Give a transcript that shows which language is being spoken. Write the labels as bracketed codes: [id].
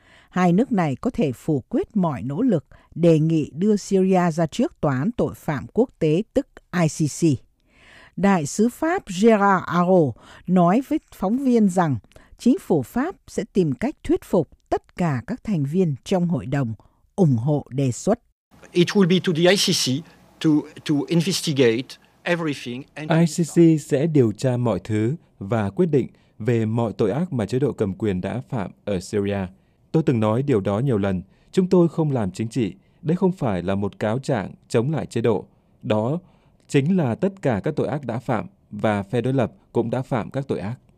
[vi] Hai nước này có thể phủ quyết mọi nỗ lực đề nghị đưa Syria ra trước Tòa án Tội phạm Quốc tế, tức ICC. Đại sứ Pháp Gérard Aro nói với phóng viên rằng chính phủ Pháp sẽ tìm cách thuyết phục tất cả các thành viên trong hội đồng ủng hộ đề xuất. [en] It will be to the ICC to investigate everything. [vi] ICC sẽ điều tra mọi thứ và quyết định về mọi tội ác mà chế độ cầm quyền đã phạm ở Syria. Tôi từng nói điều đó nhiều lần. Chúng tôi không làm chính trị. Đây không phải là một cáo trạng chống lại chế độ. Đó chính là tất cả các tội ác đã phạm và phe đối lập cũng đã phạm các tội ác.